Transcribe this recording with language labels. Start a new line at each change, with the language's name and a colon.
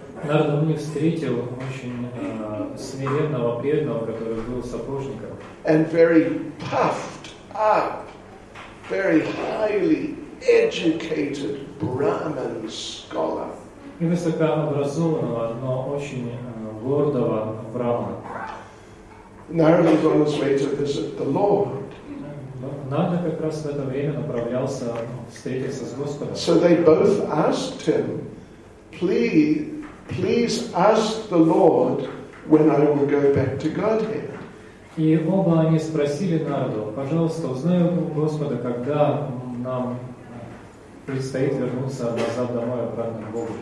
Russian: Narada Muni встретил очень смиренного преданного, который был сапожником.
English: And very puffed up, very highly educated Brahmin scholar.
Russian: И высокообразованного, но очень гордого брахмана.
English: Narada was on his way to visit the Lord.
Russian: Нарада как раз в это время направлялся встретиться с Господом.
English: So they both asked him, please ask the Lord when I will go back to Godhead.
Russian: И оба они спросили Нараду, пожалуйста, узнай у Господа, когда нам предстоит вернуться назад домой, обратно к Богу.